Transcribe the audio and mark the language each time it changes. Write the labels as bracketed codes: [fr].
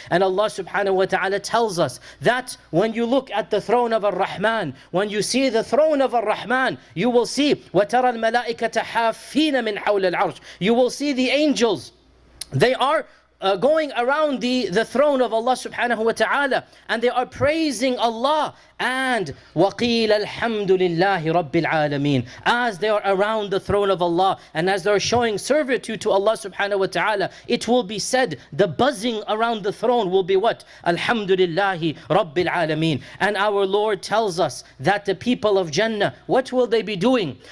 [en] And Allah subhanahu wa ta'ala tells us that when you look at the throne of Ar-Rahman, when you see the throne of Ar-Rahman, you will see [ar] وَتَرَى الْمَلَائِكَةَ حَافِّينَ. [en] You will see the angels, they are going around the throne of Allah subhanahu wa ta'ala, and they are praising Allah. And [ar] وَقِيلَ الْحَمْدُ لِلَّهِ رَبِّ الْعَالَمِينَ. [en] As they are around the throne of Allah, and as they are showing servitude to Allah subhanahu wa ta'ala, it will be said, the buzzing around the throne will be what? [ar] الْحَمْدُ لِلَّهِ رَبِّ الْعَالَمِينَ. [en] And our Lord tells us that the people of Jannah, what will they be doing?